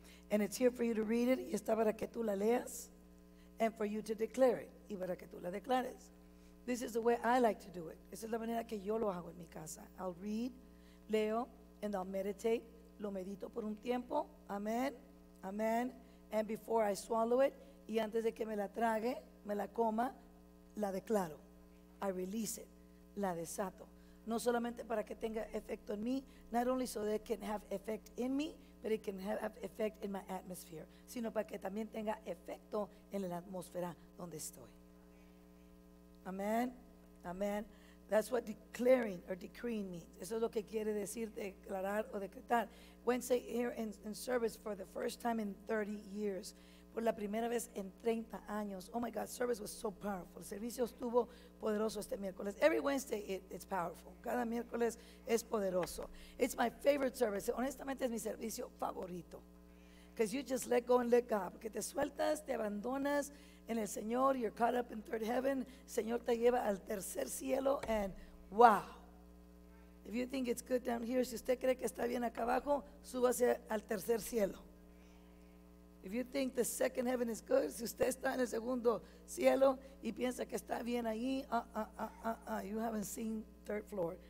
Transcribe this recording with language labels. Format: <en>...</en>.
<en>And it's here for you to read it.</en> <es>Y está para que tú la leas.</es> <en>And for you to declare it.</en> <es>Y para que tú la declares.</es> <en>This is the way I like to do it.</en> <es>Esa es la manera que yo lo hago en mi casa.</es> <en>I'll read,</en> <es>leo,</es> <en>and I'll meditate.</en> <es>Lo medito por un tiempo. Amen. Amen.</es> <en>And before I swallow it,</en> <es>y antes de que me la trague, me la coma, la declaro.</es> <en>I release it.</en> <es>La desato. No solamente para que tenga efecto en mí,</es> <en>not only so that it can have effect in me, but it can have effect in my atmosphere,</en> <es>sino para que también tenga efecto en la atmósfera donde estoy. Amen. Amen.</es> <en>That's what declaring or decreeing means.</en> <es>Eso es lo que quiere decir declarar o decretar.</es> <en>Wednesday here in service for the first time in 30 years.</en> <es>Por la primera vez en 30 años.</es> <en>Oh my God, service was so powerful.</en> <es>El servicio estuvo poderoso este miércoles.</es> <en>Every Wednesday it's powerful.</en> <es>Cada miércoles es poderoso.</es> <en>It's my favorite service.</en> <es>Honestamente es mi servicio favorito.</es> <en>Because you just let go and let God.</en> <es>Porque te sueltas, te abandonas en el Señor.</es> <en>You're caught up in third heaven.</en> <es>Señor te lleva al tercer cielo.</es> <en>And wow. If you think it's good down here,</en> <es>si usted cree que está bien acá abajo, súbase al tercer cielo.</es> <en>If you think the second heaven is good,</en> <es>si usted está en el segundo cielo y piensa que está bien ahí,</es> <en>you haven't seen third floor.</en>